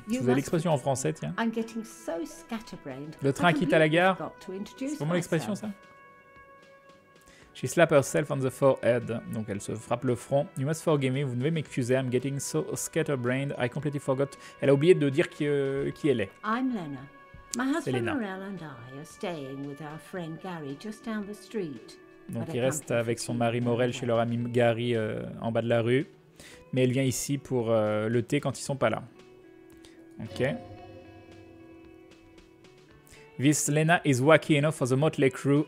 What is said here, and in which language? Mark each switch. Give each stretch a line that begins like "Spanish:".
French: Vous avez l'expression en français, tiens. Le train quitte à la gare. C'est vraiment l'expression, ça?
English: She slapped herself on the forehead.
French: Donc, elle se frappe le front.
English: You must forgive me.
French: Vous devez m'excuser.
English: I'm getting so scatterbrained. I completely forgot.
French: Elle a oublié de dire qui elle est.
English: I'm Lena. My husband Morel and I are staying with our friend Gary just down the street.
French: Donc, il reste avec son mari Morel chez leur ami Gary en bas de la rue. Mais elle vient ici pour le thé quand ils sont pas là. Ok.
English: This Lena is wacky enough for the motley crew.